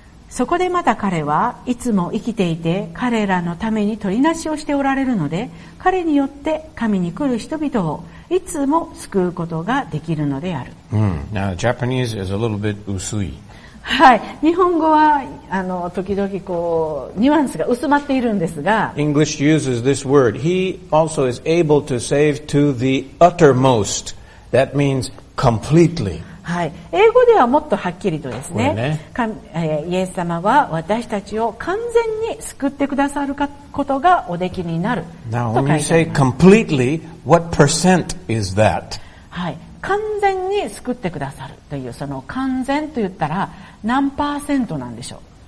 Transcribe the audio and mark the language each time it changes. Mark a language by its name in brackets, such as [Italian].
[Japanese] そこでまた彼はいつも生きていて彼らのために取りなしをしておられるので、彼によって神に来る人々をいつも救うことができるのである。 [English] Now, Japanese is a little bit 薄い。 [Japanese] はい、日本語は時々こうニュアンスが薄まっているんですが、 [English] English uses this word. He also is able to save to the uttermost. That means completely. [Japanese] はい、英語ではもっとはっきりとですね、ね、イエス様は私たちを完全に救ってくださることがおできになると書いてあります。 [English] Now, when you say completely, what percent is that? [Japanese] はい、完全に救ってくださるというその完全と言ったら何パーセントなんでしょう。